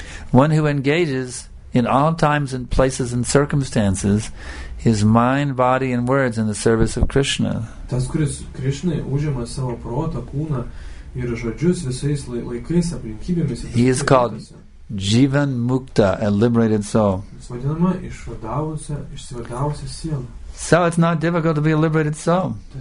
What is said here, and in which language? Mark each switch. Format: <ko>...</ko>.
<en>One who engages in all times and places and circumstances his mind, body, and words in the service of Krishna.</en> <lt>Tas, kuris Krishna užima savo protą, kūną ir žodžius visais laikais aplinkybėmis.</lt> <en>He is called Jivan Mukta, a liberated soul.</en> <lt>Jis vadinama išsivadavusia siela.</lt> <en>So it's not difficult to be a liberated soul.</en>